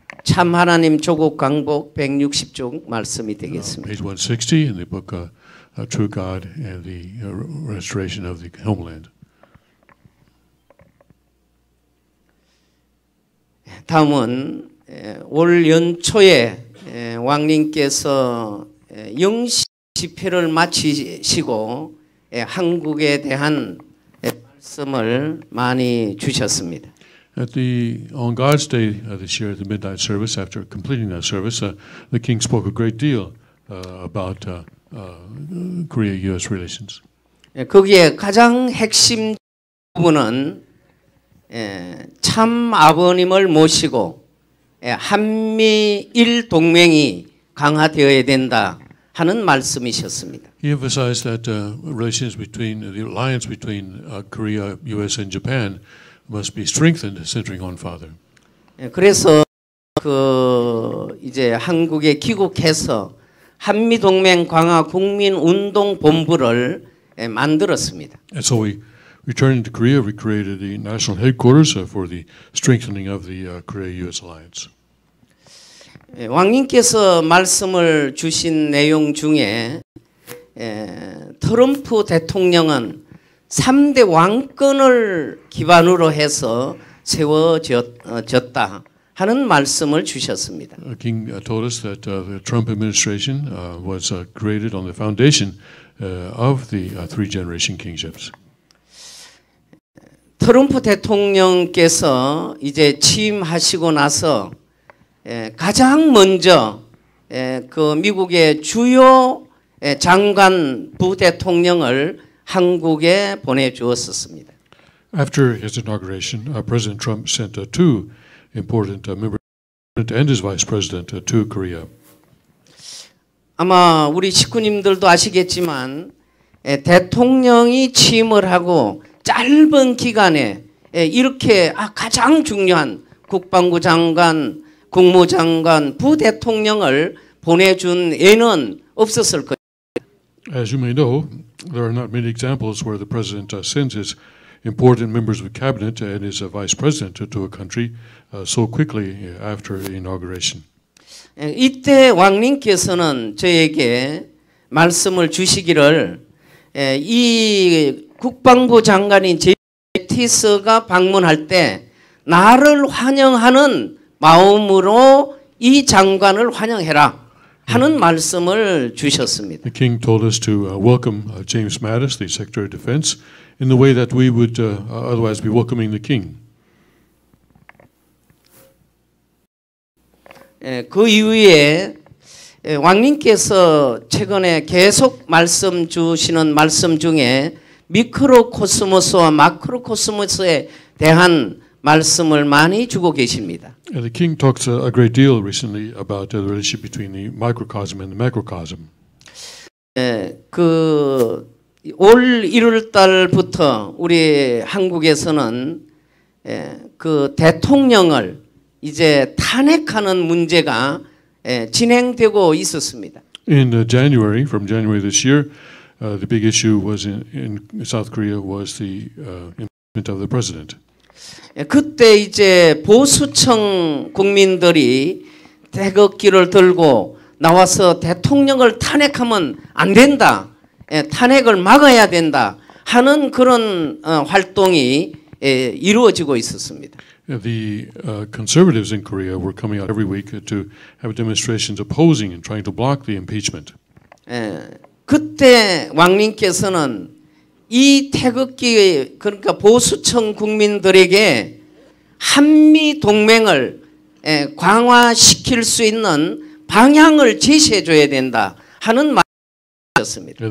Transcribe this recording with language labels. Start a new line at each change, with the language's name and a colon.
Korean: 참 하나님 조국 강복 160쪽 말씀이 되겠습니다.
English: Page 160 in the book True God and the Restoration of the Homeland.
Korean: 다음은 올 연초에 왕님께서 영시 집회를 마치시고 한국에 대한 말씀을 많이 주셨습니다.
English: At the On God's Day this year, the midnight service, after completing that service, the King spoke a great deal about Korea-U.S. relations.
Korean: 거기에 가장 핵심 부분은 참 아버님을 모시고 한미일 동맹이 강화되어야 된다 하는 말씀이셨습니다.
English: He emphasized that relations between the alliance between Korea, U.S. and Japan must be strengthened, centering on Father.
Korean: 그래서 그 이제 한국에 귀국해서 한미 동맹 강화 국민 운동 본부를 만들었습니다.
English: And so we returned to Korea. We created the national headquarters for the strengthening of the Korea-U.S. alliance.
Korean: 왕님께서 말씀을 주신 내용 중에 트럼프 대통령은 3대 왕권을 기반으로 해서 세워졌다 하는 말씀을 주셨습니다.
English: The King told us that the Trump administration was created on the foundation of the three generation kingships.
Korean: 트럼프 대통령께서 이제 취임하시고 나서 가장 먼저 그 미국의 주요 장관 부대통령을 한국에 보내주었었습니다.
English: After his inauguration, President Trump sent two important members of the government and his vice president to Korea.
Korean: 아마 우리 식구님들도 아시겠지만 대통령이 취임을 하고 짧은 기간에 이렇게 가장 중요한 국방부 장관 국무장관, 부대통령을 보내준 예는 없었을 것입니다.
English: As you may know, there are not many examples where the president sends his important members of cabinet and his vice president to a country so quickly after the inauguration.
Korean: 이때 왕님께서는 저에게 말씀을 주시기를 이 국방부 장관인 제티스가 방문할 때 나를 환영하는 마음으로 이 장관을 환영해라 하는 말씀을 주셨습니다.
English: The king told us to welcome James Mattis, the Secretary of Defense, in the way that we would otherwise be welcoming the king.
Korean: 그 이후에 왕님께서 최근에 계속 말씀 주시는 말씀 중에 미크로코스모스와 마크로코스모스에 대한 말씀을 많이 주고 계십니다.
English: And the king talks a great deal recently about the relationship between the microcosm and the macrocosm.
Korean: 그 올 1월 달부터 우리 한국에서는 그 대통령을 이제 탄핵하는 문제가 진행되고 있었습니다.
English: In January, from January this year, the big issue was in South Korea was the impeachment of the president.
Korean: 그때 이제 보수층 국민들이 태극기를 들고 나와서 대통령을 탄핵하면 안 된다. 탄핵을 막아야 된다 하는 그런 활동이 이루어지고 있었습니다.
English: The conservatives in Korea were coming out every week to have demonstrations opposing and trying to block the impeachment.
Korean: 그때 왕님께서는 이 태극기 그러니까 보수층 국민들에게 한미 동맹을 강화시킬 수 있는 방향을 제시해 줘야 된다 하는 말이었습니다.